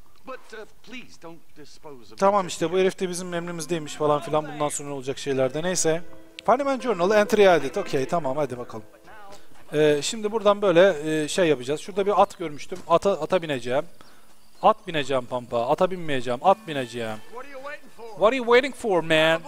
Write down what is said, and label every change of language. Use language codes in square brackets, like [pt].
[en] But please don't dispose of. [tr] Tamam işte, bu herif de bizim emrimizdeymiş falan filan, bundan sonra olacak şeylerde, neyse. [en] Funnyman Journal entry added. [tr] Okay, tamam, hadi bakalım. Şimdi buradan böyle şey yapacağız. Şurada bir at görmüştüm. Ata bineceğim. At bineceğim Pampa. Ata binmeyeceğim. At bineceğim. [en] What are you waiting for, man?